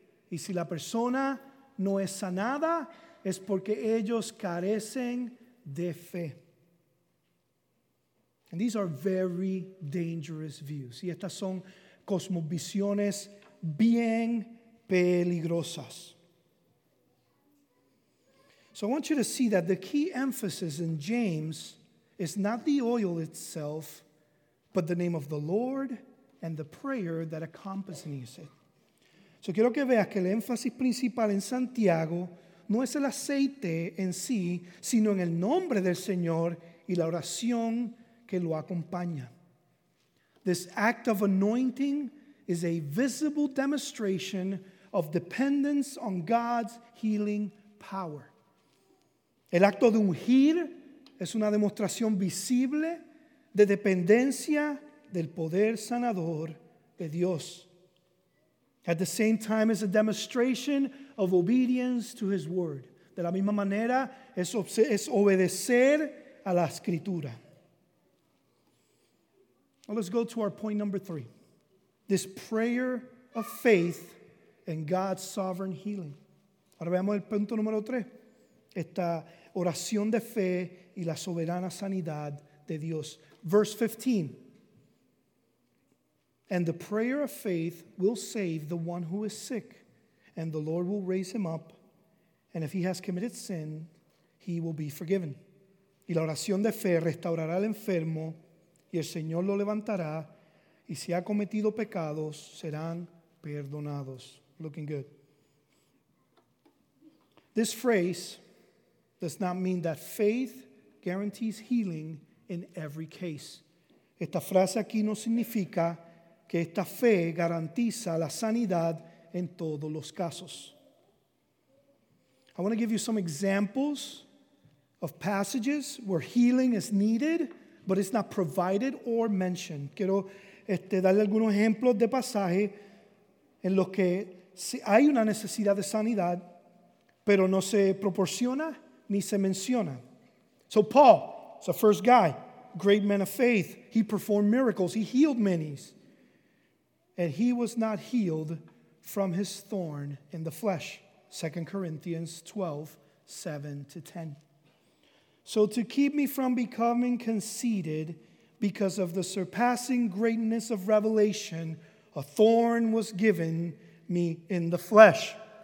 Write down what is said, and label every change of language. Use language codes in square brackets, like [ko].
[es] Y si la persona no es sanada, es porque ellos carecen de fe. [en] And these are very dangerous views. [es] Y estas son cosmovisiones bien peligrosas. [en] So I want you to see that the key emphasis in James is not the oil itself, but the name of the Lord and the prayer that accompanies it. [es] So quiero que veas que el énfasis principal en Santiago no es el aceite en sí, sino en el nombre del Señor y la oración que lo acompaña. [en] This act of anointing is a visible demonstration of dependence on God's healing power. [es] El acto de ungir es una demostración visible de dependencia del poder sanador de Dios. [en] At the same time, it's a demonstration of obedience to his word. [es] De la misma manera, es obedecer a la escritura. [en] Well, let's go to our point number three. This prayer of faith in God's sovereign healing. [es] Ahora veamos el punto número tres. Esta oración de fe y la soberana sanidad de Dios. [en] Verse 15. And the prayer of faith will save the one who is sick, and the Lord will raise him up, and if he has committed sin, he will be forgiven. [es] Y la oración de fe restaurará al enfermo, y el Señor lo levantará, y si ha cometido pecados, serán perdonados. [en] Looking good. This phrase does not mean that faith guarantees healing in every case. [es] Esta frase aquí no significa que esta fe garantiza la sanidad en todos los casos. [en] I want to give you some examples of passages where healing is needed, but it's not provided or mentioned. [es] Quiero darle algunos ejemplos de pasajes en los que hay una necesidad de sanidad, pero no se proporciona ni se menciona. [en] So Paul, it's the first guy, great man of faith. He performed miracles. He healed many. And he was not healed from his thorn in the flesh. 2 Corinthians 12, 7 to 10. So to keep me from becoming conceited because of the surpassing greatness of revelation, a thorn was given me in the flesh.